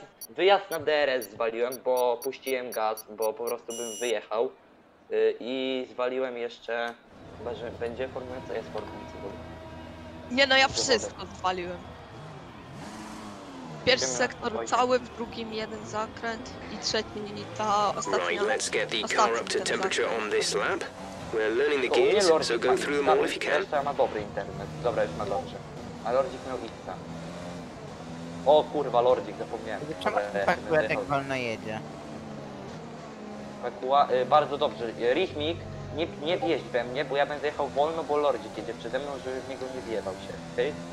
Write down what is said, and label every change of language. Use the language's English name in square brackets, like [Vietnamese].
[Polish] Wyjazd na DRS zwaliłem, bo puściłem gaz, bo po prostu bym wyjechał. I zwaliłem jeszcze... Chyba, że będzie formująca, jest formująca. Nie no, ja wszystko zwaliłem. Pierwszy sektor cały, w drugim jeden zakręt i trzeci i ta ostatnia. [English] Right, let's get the car up to temperature on this lap. We're learning the gears, so go through them all if you can. [Polish] Jeszcze ma dobry internet. Dobra, już ma dobrze. A Lordzik miał X-a. O kurwa, Lordzik, zapomniałem. Pakuła tak wolno jedzie. Pakuła, bardzo dobrze. Rytmik, nie wjeźdź we mnie, bo ja będę jechał wolno, bo Lordzik jedzie przede mną, żeby w niego nie wjebał się.